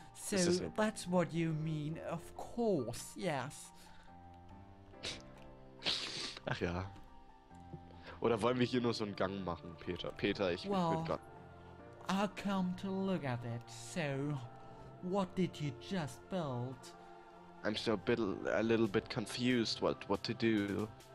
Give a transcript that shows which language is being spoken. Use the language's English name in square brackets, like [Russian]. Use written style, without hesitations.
[English] So that's what you mean, of course, yes. [German] Ach ja. Oder wollen wir hier nur so einen Gang machen, Peter? Peter, [English] I come to look at it. So what did you just build? I'm still a little bit confused what to do.